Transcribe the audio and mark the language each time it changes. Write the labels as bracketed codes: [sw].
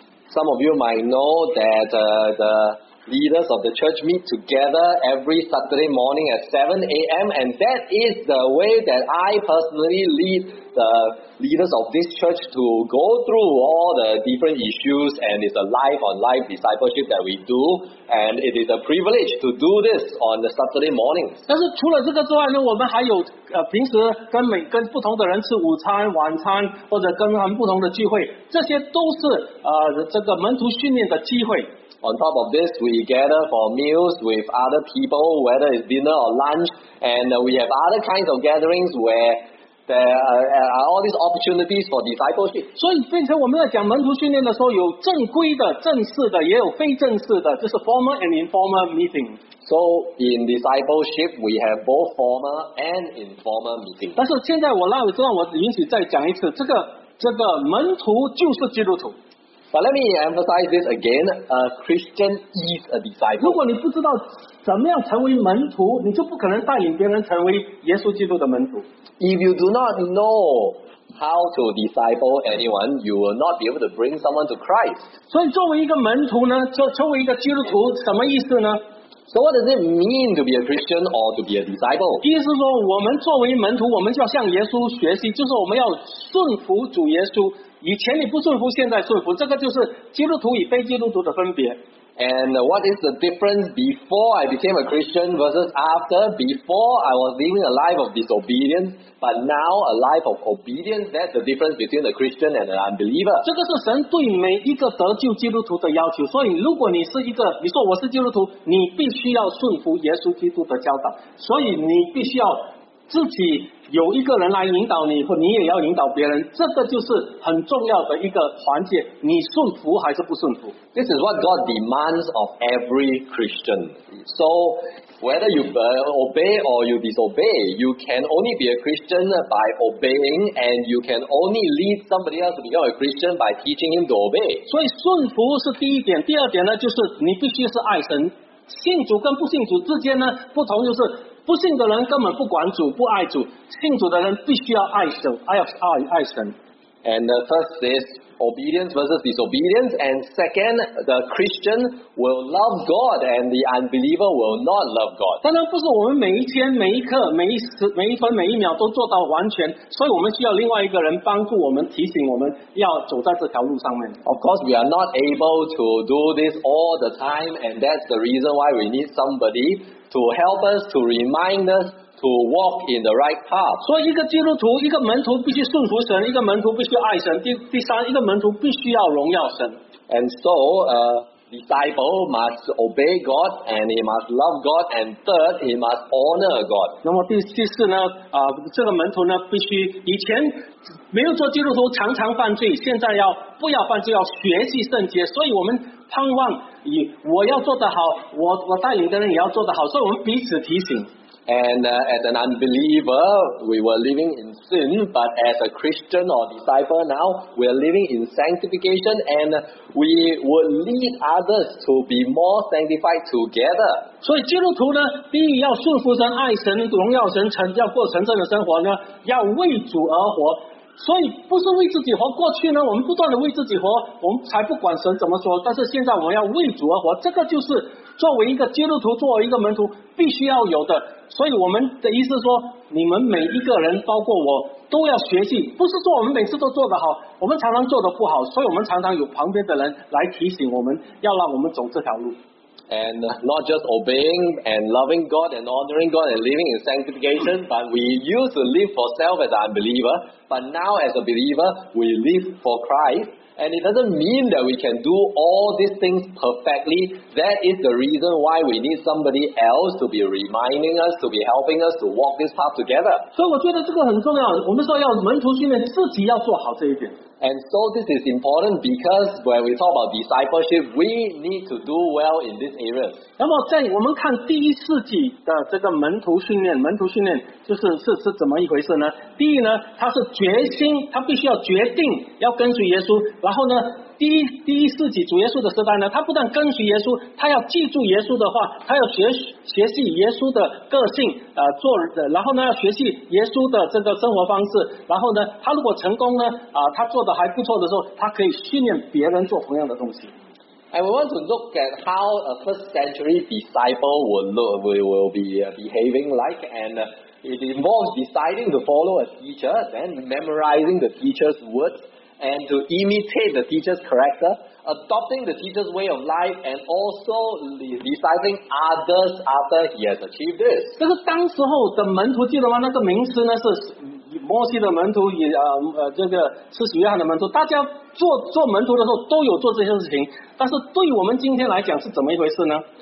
[en] Some of you might know that the leaders of the church meet together every Saturday morning at 7 a.m. and that is the way that I personally lead the leaders of this church to go through all the different issues, and it's a life-on-life discipleship that we do, and it is a privilege to do this on the Saturday morning. [zh] 但是除了这个之外呢，我们还有平时跟不同的人吃午餐、晚餐，或者跟他们不同的聚会，这些都是这个门徒训练的机会。 [en] On top of this, we gather for meals with other people, whether it's dinner or lunch, and we have other kinds of gatherings where there are all these opportunities for discipleship. [zh] 所以变成我们在讲门徒训练的时候，有正规的、正式的，也有非正式的，就是 [en] formal and informal meeting. So in discipleship, we have both formal and informal meeting. [zh] 但是现在我允许再讲一次，这个门徒就是基督徒。 [en] But let me emphasize this again, a Christian is a disciple. [zh] 如果你不知道怎么样成为门徒，你就不可能带领别人成为耶稣基督的门徒。 [en] If you do not know how to disciple anyone, you will not be able to bring someone to Christ. [zh] 所以作为一个门徒呢，作为一个基督徒什么意思呢？ [en] So what does it mean to be a Christian or to be a disciple? [zh] 意思是说我们作为门徒，我们就要向耶稣学习，就是我们要顺服主耶稣。以前你不顺服，现在顺服，这个就是基督徒与非基督徒的分别。 [en] And what is the difference before I became a Christian versus after? Before I was living a life of disobedience, but now a life of obedience. That's the difference between a Christian and an unbeliever. [zh] 这个是神对每一个得救基督徒的要求。所以，如果你是一个，你说我是基督徒，你必须要顺服耶稣基督的教导。所以，你必须要自己。有一个人来引导你，或你也要引导别人，这个就是很重要的一个环节，你顺服还是不顺服。 [en] This is what God demands of every Christian. So whether you obey or you disobey, you can only be a Christian by obeying, and you can only lead somebody else to become a Christian by teaching him to obey. [zh] 所以顺服是第一点，第二点呢，就是你必须是爱神。信主跟不信主之间呢，不同就是不信的人根本不管主，不爱主；信主的人必须要爱神，爱神。 [en] And the first is obedience versus disobedience, and second, the Christian will love God, and the unbeliever will not love God. [zh] 当然不是我们每一天、每一刻、每一时、每一分、每一秒都做到完全，所以我们需要另外一个人帮助我们、提醒我们要走在这条路上面。 [en] Of course, we are not able to do this all the time, and that's the reason why we need somebody. To help us, to remind us to walk in the right path. [zh] 所以一个基督徒，一个门徒必须顺服神，一个门徒必须爱神。第三，一个门徒必须要荣耀神。 [en] And so, a disciple must obey God, and he must love God, and third, he must honor God. [zh] 那么第四呢？这个门徒呢，必须以前没有做基督徒常常犯罪，现在要不要犯罪？要学习圣洁。所以我们盼望以我要做得好，我带领的人也要做得好，所以我们彼此提醒。 [en] And as an unbeliever, we were living in sin, but as a Christian or disciple now, we are living in sanctification, and we would lead others to be more sanctified together. [zh] 所以基督徒呢，第一要顺服神、爱神、荣耀神，成要过成圣的生活呢，要为主而活。所以不是为自己活，过去呢我们不断的为自己活，我们才不管神怎么说，但是现在我们要为主而活，这个就是作为一个基督徒，作为一个门徒必须要有的。所以我们的意思说，你们每一个人包括我都要学习，不是说我们每次都做得好，我们常常做得不好，所以我们常常有旁边的人来提醒我们，要让我们走这条路。 [en] And not just obeying and loving God and honoring God and living in sanctification, but we used to live for self as an unbeliever, but now as a believer, we live for Christ. And it doesn't mean that we can do all these things perfectly. That is the reason why we need somebody else to be reminding us, to be helping us to walk this path together. So I think this is very important. We say to train disciples, we need to do this ourselves. And so this is important because when we talk about discipleship, we need to do well in this area. [zh] 那么在我们看第一世纪的这个门徒训练，门徒训练就是是怎么一回事呢？第一呢，他是决心，他必须要决定要跟随耶稣。然后呢，第一世纪主耶稣的时代呢，他不但跟随耶稣，他要记住耶稣的话，他要学习耶稣的个性，做的，然后呢要学习耶稣的这个生活方式。然后呢，他如果成功呢，他做的还不错的时候，他可以训练别人做同样的东西。 [en] And we want to look at how a first century disciple will be behaving like, and it involves deciding to follow a teacher, then memorizing the teacher's words. And to imitate the teacher's character, adopting the teacher's way of life, and also discipling others after he has achieved this. [zh] 这个当时候的门徒记得吗？那个名词呢是摩西的门徒，这个施洗约翰的门徒。大家做门徒的时候都有做这些事情，但是对我们今天来讲是怎么一回事呢？